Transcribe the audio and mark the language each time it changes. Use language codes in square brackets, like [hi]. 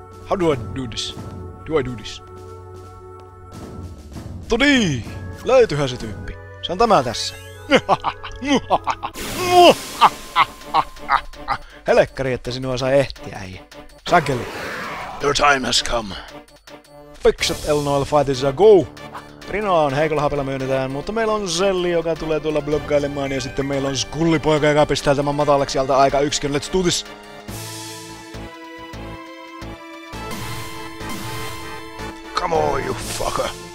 [en] How do I do this? [fi] Todii! Löytyhän se tyyppi. Se on tämä tässä. Helekkari, että sinua saa ehtiä, äijä. Sakeli. [en] Your time has come. Fix it, Elnoel, fight is a go. [fi] Rinoa on heikolla hapella myönnetään, mutta meillä on Zelli, joka tulee tuolla blokkailemaan, ja sitten meillä on Skullipoika, joka pistää tämän matalaksi alta aika yksikön. [en] Let's do this! Come on, you fucker!